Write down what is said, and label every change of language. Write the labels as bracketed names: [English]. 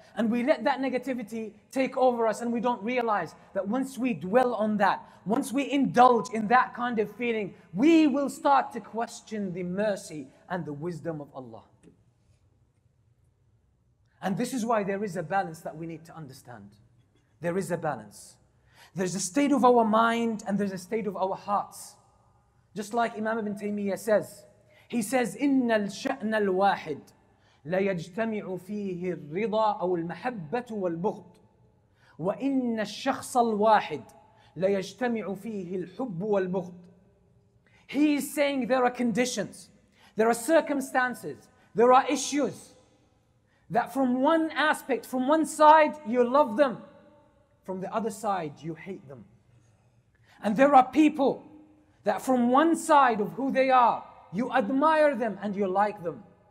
[English] And we let that negativity take over us, and we don't realize that once we dwell on that, once we indulge in that kind of feeling, we will start to question the mercy and the wisdom of Allah. And this is why there is a balance that we need to understand. There is a balance. There's a state of our mind and there's a state of our hearts. Just like Imam Ibn Taymiyyah says, he says, [Arabic] إِنَّ الْشَأْنَ الْوَاحِدْ لَيَجْتَمِعُ فِيهِ الرِّضَى أَوْ الْمَحَبَّةُ وَالْبُغْضُ وَإِنَّ الشَّخْصَ الْوَاحِدْ لَيَجْتَمِعُ فِيهِ الْحُبُّ وَالْبُغْضُ. [English] He is saying there are conditions, there are circumstances, there are issues that from one aspect, from one side, you love them. From the other side, you hate them. And there are people that from one side of who they are, you admire them and you like them.